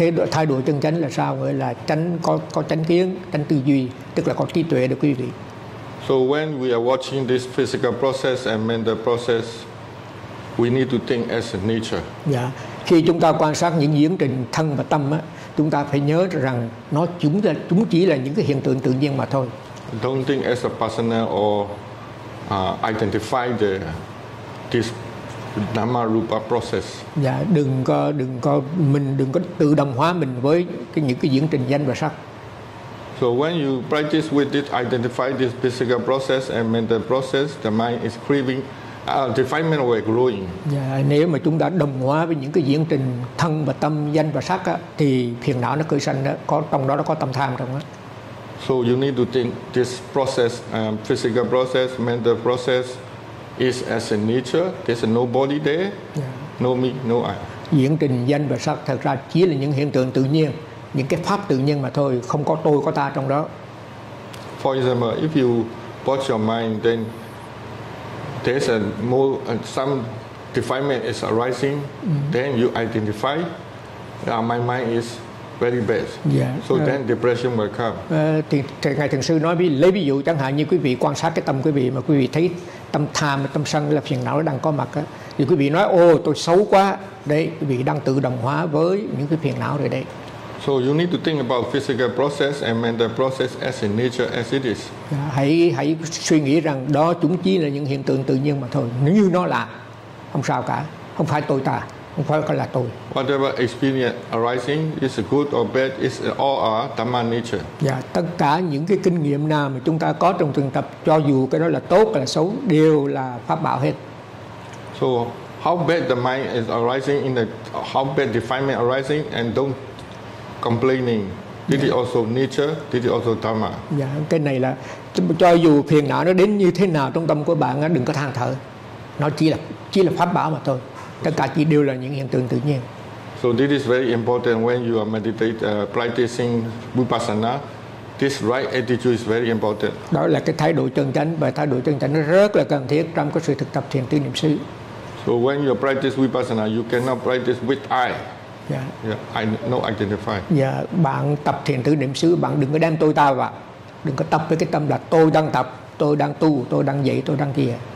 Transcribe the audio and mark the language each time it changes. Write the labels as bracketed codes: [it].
[vi] Thái độ chân chánh là sao? Gọi là chánh, có chánh kiến, chánh tư duy, tức là có trí tuệ đó quý vị. [en] So when we are watching this physical process and mental process, we need to think as a nature. [vi] Khi chúng ta quan sát những diễn trình thân và tâm á, chúng ta phải nhớ rằng nó chúng chỉ là những cái hiện tượng tự nhiên mà thôi. [en] Don't think as a personal or identify this Nama Rupa process. [vi] Đừng có tự đồng hóa mình với những cái diễn trình danh và sắc. [en] So when you practice with this, identify this physical process and mental process, the mind is craving, defilement will growing. [vi] Nếu mà chúng ta đồng hóa với những cái diễn trình thân và tâm, danh và sắc á, thì phiền não nó khởi sanh đó, có trong đó nó có tâm tham trong đó. [en] So you need to think this process, physical process, mental process, is as a nature. There's no body there, no me, no I. [vi] Diễn trình danh và sắc thật ra chỉ là những hiện tượng tự nhiên, những cái pháp tự nhiên mà thôi, không có tôi, có ta trong đó. [en] For example, if you watch your mind, then there's a more some defilement is arising. Then you identify, my mind is very bad. So then depression will come. [vi] Thì ngài thiền sư nói lấy ví dụ chẳng hạn như quý vị quan sát cái tâm quý vị mà quý vị thấy tâm tham, tâm sân là phiền não đang có mặt á, thì quý vị nói ô tôi xấu quá đấy, quý vị đang tự đồng hóa với những cái phiền não rồi đấy. [en] So you need to think about physical process and mental process as in nature as it is. [vi] Hãy suy nghĩ rằng đó chúng chỉ là những hiện tượng tự nhiên mà thôi, như nó là không sao cả, không phải tôi ta, không phải là tôi. [en] Whatever experience arising is good or bad is all our dhamma nature. [vi] Tất cả những cái kinh nghiệm nào mà chúng ta có trong thực tập, cho dù cái đó là tốt hay là xấu, đều là pháp bảo hết. [en] So how bad the mind is arising in the how bad defilement arising and don't complaining. This is also nature. This is also dhamma. [vi] Cái này là cho dù phiền não nó đến như thế nào trong tâm của bạn, đừng có than thở. Nó chỉ là pháp bảo mà thôi. Tất cả chỉ đều là những hiện tượng tự nhiên. [en] So this is very important when you are practicing vipassana. This right attitude is very important. [vi] Đó là cái thái độ chân chánh, và thái độ chân chánh rất là cần thiết trong cái sự thực tập thiền tư niệm xứ. [en] So when you practice vipassana, you cannot practice with I. I no identify. [vi] Bạn tập thiền tư niệm xứ, bạn đừng có đem tôi ta vào. Đừng có tập với cái tâm là tôi đang tập, tôi đang tu, tôi đang dạy, tôi đang kia.